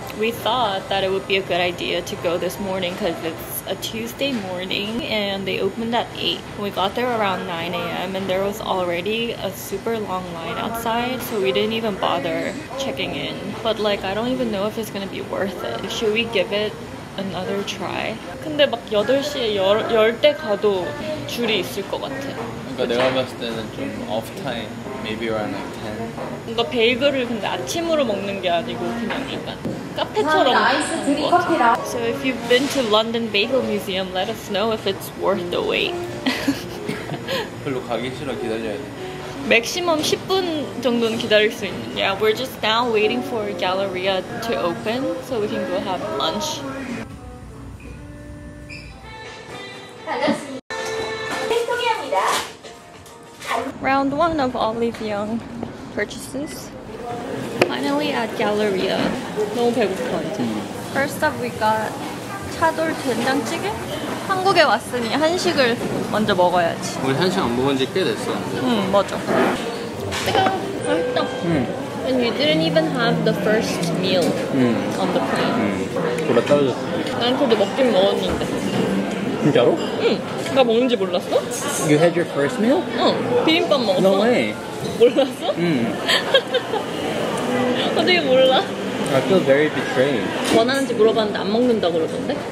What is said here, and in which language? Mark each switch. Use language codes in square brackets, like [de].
[en] We thought that it would be a good idea to go this morning because it's a Tuesday morning and they opened at 8. We got there around 9 a.m. and there was already a super long line outside, so we didn't even bother checking in. But like, I don't even know if it's gonna be worth it. Should we give it another try? [ko] 근데 막 8시에 열 때 가도 줄이 있을 것 같아. 그러니까 내가 봤을 때는 좀 [en] off time, maybe around like 10. [ko] 뭔가 베이글을 근데 아침으로 먹는 게 아니고 그냥 약간 카페처럼 먹는 것 같아. [en] So if you've been to London Bagel Museum, let us know if it's worth the wait. [ko] 별로 가기 싫어 기다려야 돼. [en] Maximum [ko] 10분 정도는 기다릴 수 있는. [en] Yeah, we're just now waiting for Galleria to open so we can go have lunch. Round one of Olive Young purchases. Finally at Galleria. [ko] 너무 배고플 것 같아. [en] First up, we got 차돌 된장찌개. [ko] 한국에 왔으니 한식을 먼저 먹어야지. 우리 한식 안 먹은 지 꽤 됐어. 응, 맞아. 뜨거워. 맛있다. 응. [en] And you didn't even have the first meal on the plane. [ko] 졸라 떨어졌어. 난 그래도 먹긴 먹었는데. 진짜로? 응. 나 먹는지 몰랐어? [en] You had your first meal? [ko] 응. 비빔밥 먹었어. [en] No way. [ko] 몰랐어? 응. 어떻게 몰라? [en] I feel very betrayed. [ko] 원하는지 물어봤는데 안 먹는다 그러던데?